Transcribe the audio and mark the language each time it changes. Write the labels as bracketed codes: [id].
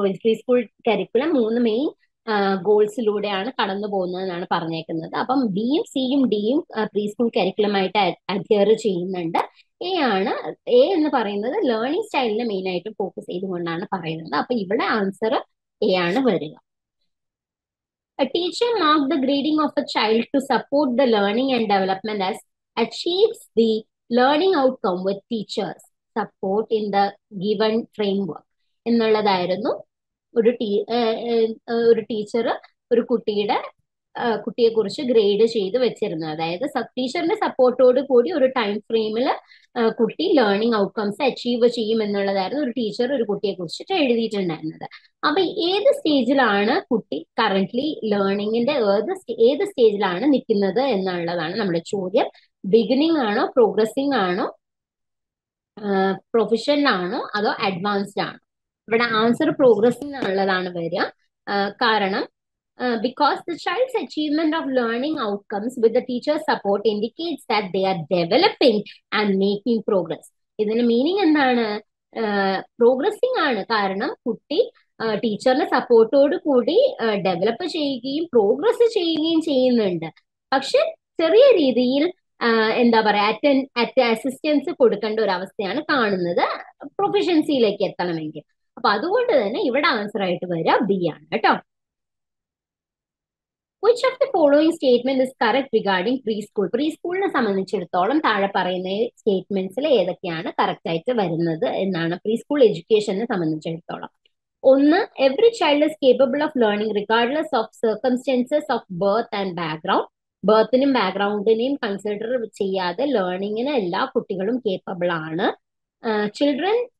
[ml] Pre school curriculum മൂന്ന് main ഗോൾസിലൂടെയാണ് കടന്നു പോകുന്നതെന്നാണ് പറഞ്ഞേക്കുന്നത്. അപ്പം ബിയും സിയും ഡിയും പ്രീ സ്കൂൾ കരിക്കുലമായിട്ട് അഡ്ഹിയർ ചെയ്യുന്നുണ്ട്. എ ആണ് എ എന്ന് പറയുന്നത് ലേണിംഗ് സ്റ്റൈലിന് മെയിൻ ആയിട്ട് ഫോക്കസ് ചെയ്തുകൊണ്ടാണ് പറയുന്നത്. അപ്പൊ ഇവിടെ ആൻസർ എ ആണ് വരിക. [en] A teacher marks the grading of a child to support the learning and development as achieves the learning outcome with teacher's support in the given framework. [ml] എന്നുള്ളതായിരുന്നു ഒരു ഒരു ടീച്ചർ ഒരു കുട്ടിയുടെ കുട്ടിയെ കുറിച്ച് ഗ്രേഡ് ചെയ്ത് വെച്ചിരുന്നത്. അതായത് ടീച്ചറിന്റെ സപ്പോർട്ടോട് കൂടി ഒരു ടൈം ഫ്രെയിമിൽ കുട്ടി ലേണിംഗ് ഔട്ട്കംസ് അച്ചീവ് ചെയ്യും എന്നുള്ളതായിരുന്നു ഒരു ടീച്ചർ ഒരു കുട്ടിയെ കുറിച്ചിട്ട് എഴുതിയിട്ടുണ്ടായിരുന്നത്. അപ്പൊ ഏത് സ്റ്റേജിലാണ് കുട്ടി കറന്റ്ലി ലേണിംഗിന്റെ ഏത് സ്റ്റേജിലാണ് നിൽക്കുന്നത് എന്നുള്ളതാണ് നമ്മുടെ ചോദ്യം. ബിഗിനിങ് ആണോ, പ്രോഗ്രസിംഗ് ആണോ, പ്രൊഫഷണൽ ആണോ, അതോ അഡ്വാൻസ്ഡ് ആണോ? ഇവിടെ ആൻസർ പ്രോഗ്രസിംഗ് ഉള്ളതാണ് വരിക. കാരണം [en] because the child's achievement of learning outcomes with the teacher's support indicates that they are developing and making progress. [ml] ഇതിന് മീനിങ് എന്താണ്? പ്രോഗ്രസിംഗ് ആണ്. കാരണം കുട്ടി ടീച്ചറിന്റെ സപ്പോർട്ടോട് കൂടി ഡെവലപ്പ് ചെയ്യുകയും പ്രോഗ്രസ് ചെയ്യുകയും ചെയ്യുന്നുണ്ട്. പക്ഷെ ചെറിയ രീതിയിൽ എന്താ പറയാ, അറ്റ് അസിസ്റ്റൻസ് കൊടുക്കേണ്ട ഒരു അവസ്ഥയാണ് കാണുന്നത് പ്രൊഫിഷ്യൻസിയിലേക്ക് എത്തണമെങ്കിൽ. അപ്പൊ അതുകൊണ്ട് തന്നെ ഇവിടെ ആൻസർ ആയിട്ട് വരിക ബി ആണ് കേട്ടോ. [en] Which of the following statement is correct regarding preschool? [ml] പ്രീസ്കൂളിനെ സംബന്ധിച്ചിടത്തോളം താഴെ പറയുന്ന സ്റ്റേറ്റ്മെന്റ്സിൽ ഏതൊക്കെയാണ് കറക്റ്റ് ആയിട്ട് വരുന്നത് എന്നാണ്. പ്രീ സ്കൂൾ എഡ്യൂക്കേഷനെ സംബന്ധിച്ചിടത്തോളം ഒന്ന്, [en] Every child is capable of learning regardless of circumstances of birth and background. [ml] ബർത്തിനും ബാക്ക്ഗ്രൗണ്ടിനെയും consider ചെയ്യാതെ ലേണിംഗിന് എല്ലാ കുട്ടികളും കേപ്പബിൾ ആണ് ചിൽഡ്രൻ.